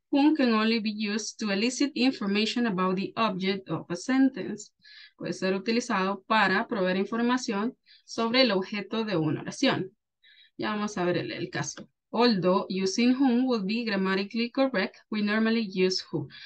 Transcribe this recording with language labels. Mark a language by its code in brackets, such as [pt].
[en] Whom can only be used to elicit information about the object of a sentence. [es] puede ser utilizado para proveer información sobre el objeto de una oración. Ya vamos a ver el caso. [en] Although using whom would be grammatically correct, we normally use who.